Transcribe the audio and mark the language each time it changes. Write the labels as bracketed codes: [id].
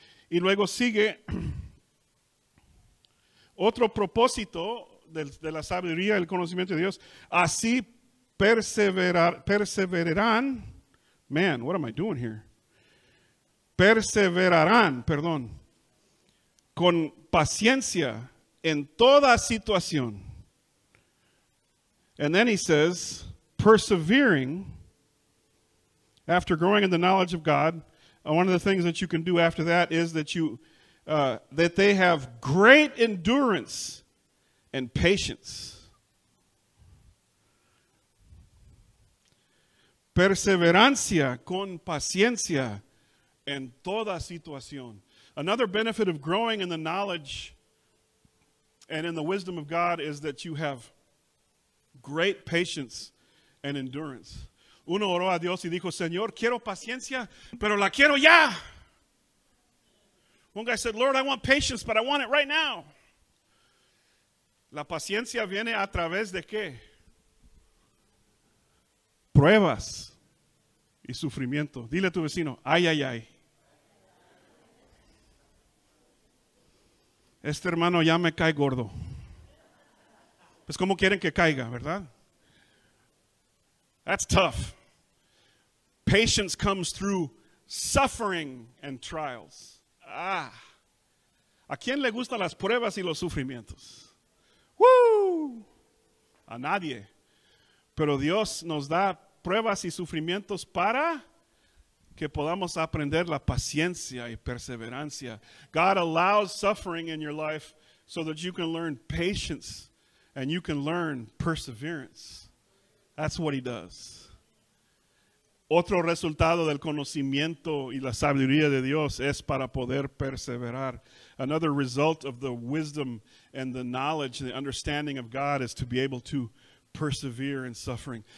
[es] Y luego sigue otro propósito de la sabiduría, el conocimiento de Dios. Así perseverarán. Man, what am I doing here? Perseverarán, perdón. Con paciencia en toda situación. [en] And then he says, persevering after growing in the knowledge of God. One of the things that you can do after that is that you, that they have great endurance and patience. [es] Perseverancia con paciencia en toda situación. [en] Another benefit of growing in the knowledge and in the wisdom of God is that you have great patience and endurance. [es] Uno oró a Dios y dijo, Señor, quiero paciencia, pero la quiero ya. [en] One guy said, Lord, I want patience, but I want it right now. [es] La paciencia viene a través de qué? Pruebas y sufrimiento. Dile a tu vecino, ay, ay, ay. Este hermano ya me cae gordo. Pues como quieren que caiga, ¿verdad? [en] That's tough. Patience comes through suffering and trials. Ah. [es] ¿A quién le gustan las pruebas y los sufrimientos? Woo! A nadie. Pero Dios nos da pruebas y sufrimientos para que podamos aprender la paciencia y perseverancia. [en] God allows suffering in your life so that you can learn patience and you can learn perseverance. That's what he does. [es] Otro resultado del conocimiento y la sabiduría de Dios es para poder perseverar. [en] Another result of the wisdom and the knowledge and the understanding of God is to be able to persevere in suffering.